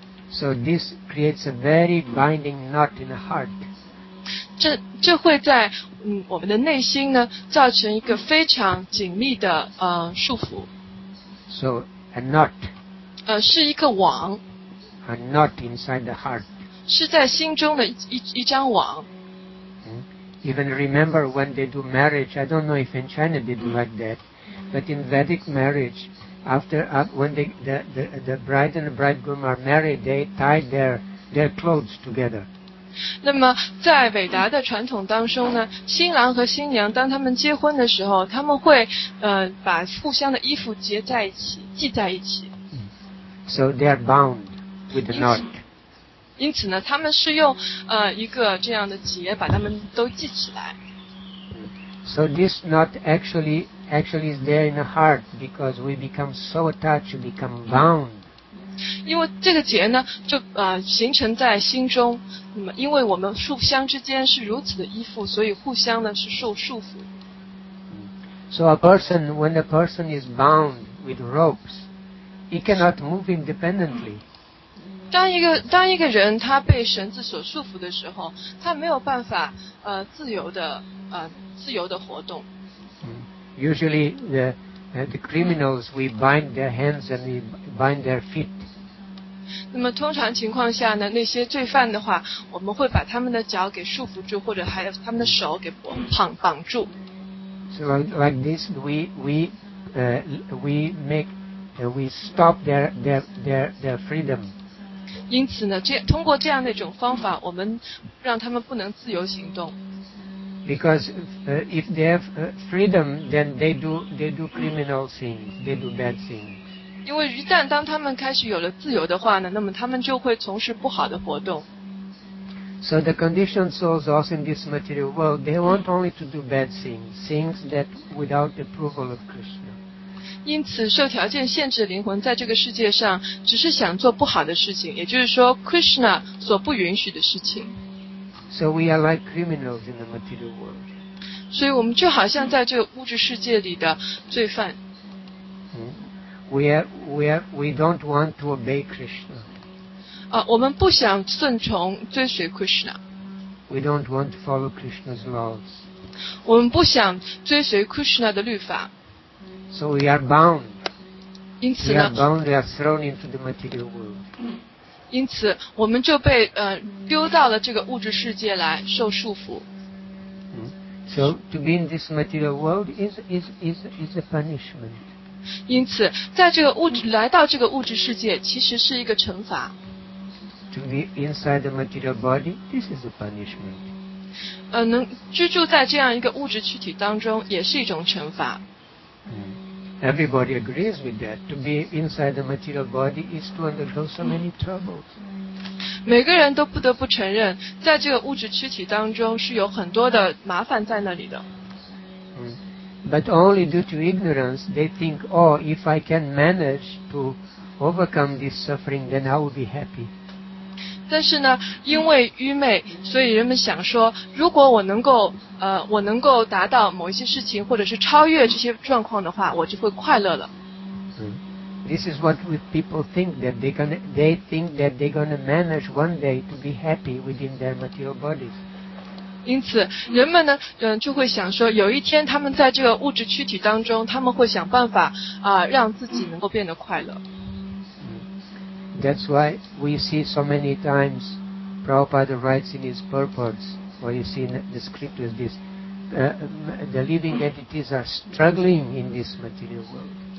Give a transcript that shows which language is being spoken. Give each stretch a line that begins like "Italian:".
English: So this creates a very binding knot in the heart.
Chinese: 这会在我们的内心呢，造成一个非常紧密的束缚。
English: So a knot.
Chinese: 是一个网。
English: A knot inside the heart.
Chinese: 是在心中的一张网。
English: Even remember when they do marriage, I don't know if in China they do like that, but in Vedic marriage, when the bride and the bridegroom are married, they tie their clothes together.
Chinese: 那么在伟达的传统当中呢，新郎和新娘当他们结婚的时候，他们会把互相的衣服结在一起，系在一起。
English: So they are bound with the knot.
Chinese: 因此呢，他们是用一个这样的结把他们都系起来。
English: So this knot actually is there in the heart because we become so attached, we become bound.
Chinese: 因为这个结呢，就形成在心中。那么，因为我们互相之间是如此的依附，所以互相呢是受束缚。
English: So a person, when a person is bound with ropes, he cannot move independently.
Chinese: 当一个人他被绳子所束缚的时候，他没有办法自由的活动。
English: Usually the criminals we bind their hands and we bind their feet.
Chinese: 那么通常情况下呢，那些罪犯的话，我们会把他们的脚给束缚住，或者还有他们的手给绑住。
English: So like this, we stop their freedom.
Chinese: 因此呢，通过这样的一种方法，我们让他们不能自由行动。
English: Because if they have freedom, then they do criminal things, they do bad things.
Chinese: 因为一旦当他们开始有了自由的话呢，那么他们就会从事不好的活动。
English: So the conditioned souls also in this material world, they want only to do bad things that without the approval of Krishna.
Chinese: 因此受条件限制的灵魂在这个世界上只是想做不好的事情，也就是说 Krishna 所不允许的事情。
English: So we are like criminals in the material world.
Chinese: 所以我们就好像在这个物质世界里的罪犯。
English: We don't want to obey Krishna.
Chinese: 我们不想顺从追随 Krishna.
English: We don't want to follow Krishna's laws.
Chinese: 我们不想追随 Krishna 的律法。
English: So we are bound.
Chinese: 因此呢,
English: we are bound, we are thrown into the material world.
Chinese: 因此我们就被丢到了这个物质世界来受束缚。
English: So to be in this material world is a punishment.
Chinese: 因此在这个物质来到这个物质世界其实是一个惩罚。
English: To be inside the material body, this is a punishment.
Chinese: 能居住在这样一个物质躯体当中也是一种惩罚。
English: Everybody agrees with that. To be inside the material body is to undergo so many troubles.
Chinese: 每个人都不得不承认，在这个物质躯体当中是有很多的麻烦在那里的。
English: But only due to ignorance, they think, "Oh, if I can manage to overcome this suffering, then I will be happy."
Chinese: 但是呢，因为愚昧，所以人们想说，如果我能够我能够达到某一些事情，或者是超越这些状况的话，我就会快乐了。
English: This is what people think that they think that they're gonna manage one day to be happy within their material bodies.
Chinese: 因此，人们呢，就会想说，有一天他们在这个物质躯体当中，他们会想办法让自己能够变得快乐。
English: That's why we see so many times Prabhupada writes in his purports, or you see in the scriptures this, the living entities are struggling in this material world.